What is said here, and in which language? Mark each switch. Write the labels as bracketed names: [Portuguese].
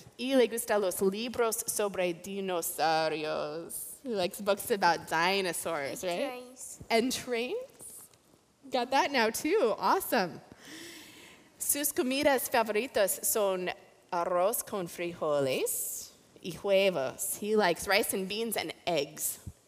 [Spanish] Y le gusta los libros sobre dinosaurios. [English] He likes books about dinosaurs, right? And trains. Got that now, too. Awesome. [Spanish] Sus comidas favoritas son arroz con frijoles y huevos. [English] He likes rice and beans and eggs.